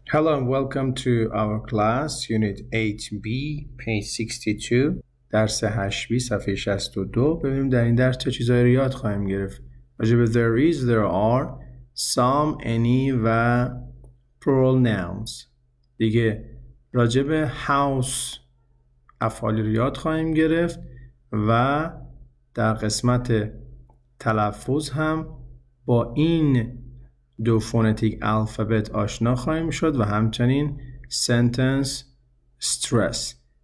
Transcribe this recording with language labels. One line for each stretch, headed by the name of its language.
English: Hello and welcome to our class, Unit 8B, page 62.
Persian: درس 8B، صفحه 62. ببینیم در این درس چه چیزایی رو یاد خواهیم گرفت. راجبه there is, there are, some, any و plural nouns. دیگه راجبه house افعال رو یاد خواهیم گرفت و در قسمت تلفظ هم با این دو فونتیک الفابت آشنا خواهیم شد و همچنین sentence stress.